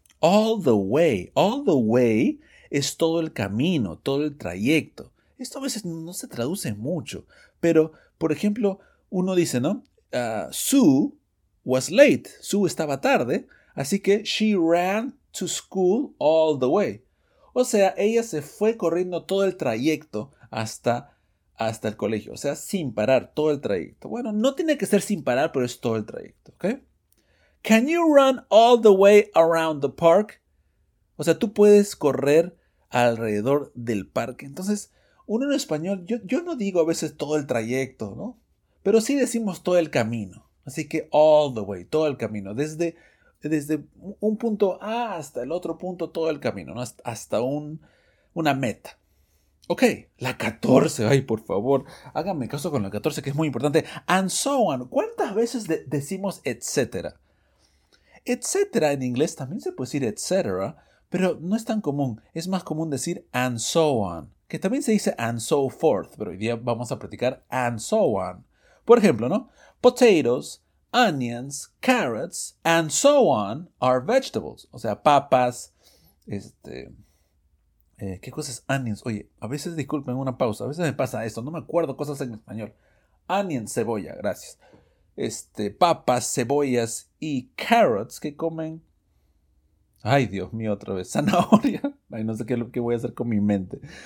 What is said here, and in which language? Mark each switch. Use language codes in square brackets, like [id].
[es] All the way. All the way es todo el camino, todo el trayecto. Esto a veces no se traduce mucho. Pero, por ejemplo, uno dice, ¿no? [en] Sue was late. [es] Sue estaba tarde. Así que [en] she ran to school all the way. [es] O sea, ella se fue corriendo todo el trayecto hasta el colegio. O sea, sin parar, todo el trayecto. Bueno, no tiene que ser sin parar, pero es todo el trayecto. ¿Okay? [en] Can you run all the way around the park? [es] O sea, tú puedes correr alrededor del parque. Entonces, uno en español, yo no digo a veces todo el trayecto, ¿no? Pero sí decimos todo el camino. Así que all the way, todo el camino. Desde un punto A hasta el otro punto, todo el camino, ¿no? Hasta una meta. Ok, la 14. Ay, por favor, háganme caso con la 14, que es muy importante. And so on. ¿Cuántas veces decimos etcétera? Etcétera en inglés también se puede decir etcétera, pero no es tan común. Es más común decir and so on. Que también se dice and so forth, pero hoy día vamos a practicar and so on. Por ejemplo, ¿no? [en] Potatoes, onions, carrots, and so on are vegetables. [es] O sea, papas, ¿qué cosa es onions? Oye, a veces, disculpen una pausa, a veces me pasa esto, no me acuerdo cosas en español. Onions, cebolla, gracias. Papas, cebollas y carrots, ¿qué comen? Ay, Dios mío, otra vez, zanahoria. Ay, no sé qué voy a hacer con mi mente.